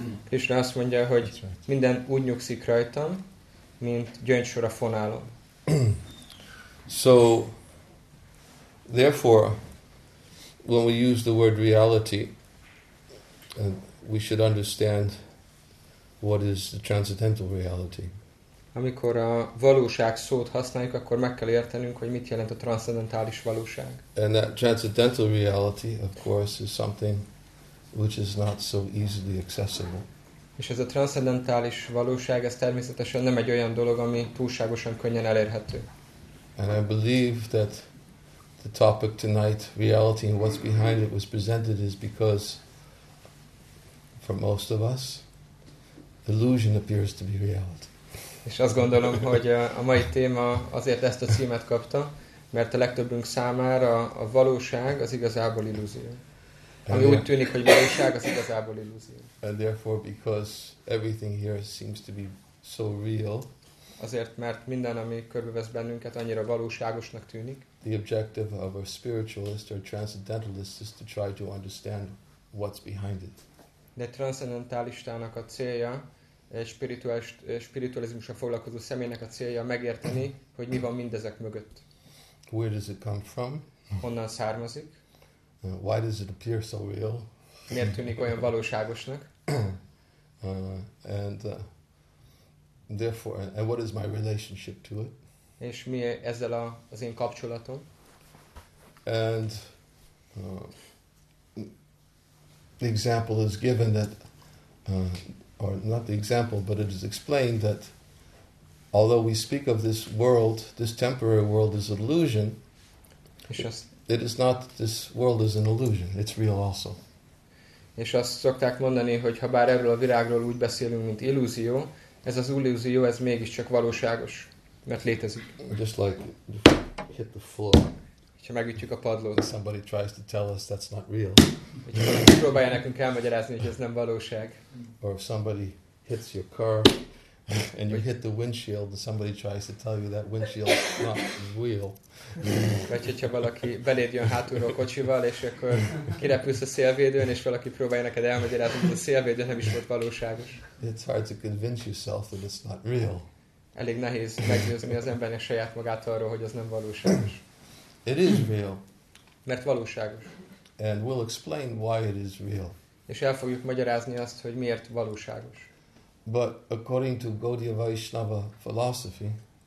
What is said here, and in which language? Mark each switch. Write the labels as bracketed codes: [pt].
[hu] Krishna azt mondja, hogy minden úgy nyugszik rajtam, mint gyöngysor a fonálon. [en] So therefore when we use the word reality, we should understand what is the transcendental reality. [hu] Amikor a valóság szót használjuk, akkor meg kell értenünk, hogy mit jelent a transzcendentális valóság. [en] And that transcendental reality, of course, is something which is not so easily accessible. [hu] És ez a transzcendentális valóság, ez természetesen nem egy olyan dolog, ami túlságosan könnyen elérhető. [en] And I believe that the topic tonight, reality and what's behind it, was presented is because for most of us, illusion appears to be reality. [hu] És azt gondolom, hogy a mai téma azért ezt a címet kapta, mert a legtöbbünk számára a valóság az igazából illúzió. Ami úgy tűnik, hogy valóság az igazából illúzió. [en] And therefore, because everything here seems to be so real, [hu] azért, mert minden, ami körbevesz bennünket, annyira valóságosnak tűnik. [en] The objective of a spiritualist or transcendentalist is to try to understand what's behind it. [hu] De transzcendentalistának a célja, egy spiritualizmusra foglalkozó személynek a célja megérteni, hogy mi van mindezek mögött. [en] Where does it come from? [hu] Honnan származik? [en] Why does it appear so real? [hu] Miért tűnik olyan valóságosnak? [en] And what is my relationship to it? [hu] És mi ezzel az én kapcsolatom? [en] And the example is given that, or not the example, but it is explained that although we speak of this world, this temporary world is illusion, it is not that this world is an illusion, it's real also. [hu] És azt szokták mondani, hogy ha bár erről a virágról úgy beszélünk, mint illúzió, ez az illúzió, ez mégiscsak valóságos, mert létezik. [en] Just like hit the floor. [hu] Ha megütjük a padlót. [en] Somebody tries to tell us that's not real. [hu] Próbálja nekünk elmagyarázni, hogy ez nem valóság. [en] Or if somebody hits your car and you hit the windshield and somebody tries to tell you that windshield is not real. [hu] Vagy hogyha valaki beléd jön hátulról kocsival, és akkor kirepülsz a szélvédőn, és valaki próbálja neked elmagyarázni, hogy a szélvédő nem is volt valóságos. [en] It's hard to convince yourself that it's not real. [hu] Elég nehéz meggyőzni az embernek saját magát arról, hogy az nem valóságos. [en] It is real. [hu] Mert valóságos. [en] And we'll explain why it is real. [hu] És el fogjuk magyarázni azt, hogy miért valóságos. [en] But according to Gaudiya Vaishnava philosophy,